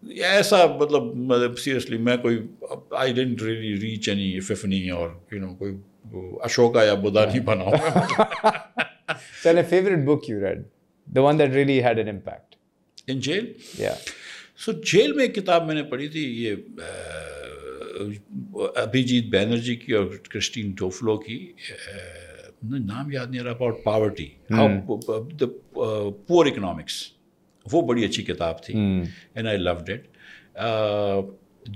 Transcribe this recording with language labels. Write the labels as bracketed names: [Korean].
[Urdu] ایسا مطلب سیریسلی میں کوئی [English] I didn't really reach any epiphany [Urdu] اور کوئی اشوکا یا بدھا نہیں بنا. [English] Tell a favorite book you read, the one that really had an impact. In jail? Yeah. [Urdu] So jail میں ایک کتاب میں نے پڑھی تھی, یہ ابھیجیت بینرجی کی اور کرسٹین ڈوفلو کی, نام یاد نہیں رہا, [English] about poverty, poor economics, [Urdu] وہ بڑی اچھی کتاب تھی [English] And I loved it.